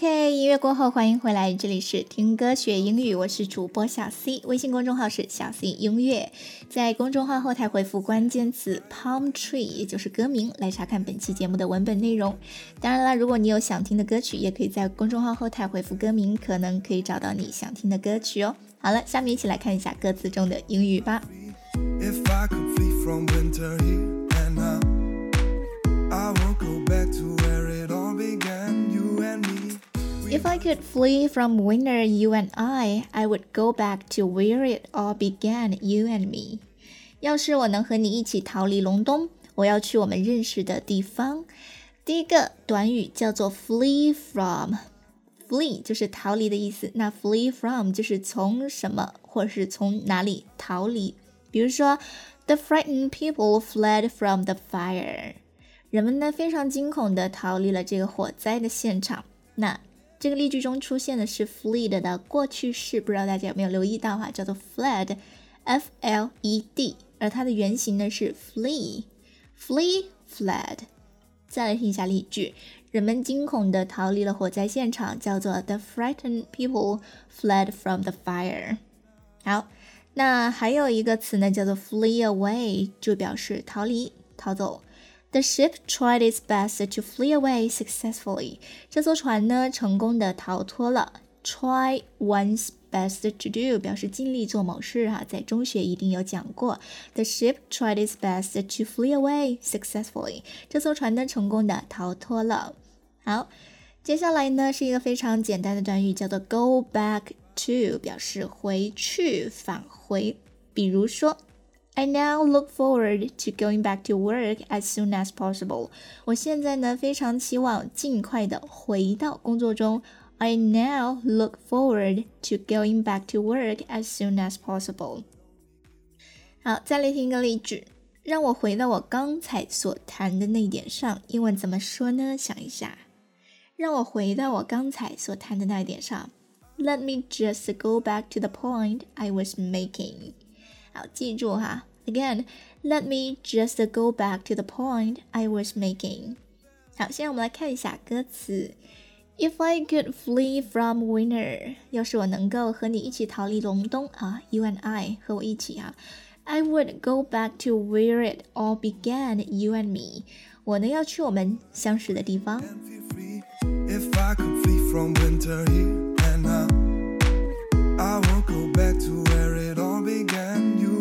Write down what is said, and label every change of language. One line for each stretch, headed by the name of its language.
Chinese: 音乐过后，欢迎回来，这里是听歌学英语，我是主播小 C， 微信公众号是小 C 音乐，在公众号后台回复关键词 Palm Tree， 也就是歌名，来查看本期节目的文本内容。当然了，如果你有想听的歌曲，也可以在公众号后台回复歌名，可能可以找到你想听的歌曲哦。好了，下面一起来看一下歌词中的英语吧。
English: If I could flee from winter here and now, I won't go back to where it all began, you and me If I could flee from winter, you and I would go back to where it all began, you and me.
Chinese: 要是我能和你一起逃离隆冬，我要去我们认识的地方。第一个短语叫做 flee from. Flee 就是逃离的意思，那 flee from 就是从什么或是从哪里逃离。比如说
English: the frightened people fled from the fire.
Chinese: 人们呢非常惊恐地逃离了这个火灾的现场。那这个例句中出现的是 fled 的过去式，不知道大家有没有留意到哈，叫做 fled， F-L-E-D， 而它的原型呢是 flee， flee fled。再来听一下例句，人们惊恐地逃离了火灾现场，叫做
English: the frightened people fled from the fire。
Chinese: 好，那还有一个词呢，叫做 flee away， 就表示逃离、逃走。
English: The ship tried its best to flee away successfully.
Chinese: 这艘船呢成功地逃脱了。
English: Try one's
Chinese: best to do 表示尽力做某事哈，在中学一定有讲过。
English: The ship tried its best to flee away successfully.
Chinese: 这艘船呢，成功的逃脱了。好，接下来呢是一个非常简单的短语，叫做 go back to， 表示回去、返回。比如说。
English: I now look forward to going back to work as soon as possible.
Chinese: 我现在呢非常期望尽快的回到工作中。
English: I now look forward to going back to work as soon as possible.
Chinese: 好，再来听一个例句，让我回到我刚才所谈的那点上。英文怎么说呢？想一下，让我回到我刚才所谈的那点上。
English: Let me just go back to the point I was making.
Chinese: 好，记住哈。
English: Again, let me just go back to the point I was making.
Chinese: 好，现在我们来看一下歌词。
English: If I could flee from winter,
Chinese: 要是我能够和你一起逃离隆冬啊
English: ，you and I
Chinese: 和我一起啊
English: ，I would go back to where it all began, you and me.
Chinese: 我呢要去我们相识的地方。
English: If I could flee from winter here and now, I would go back to where it all began.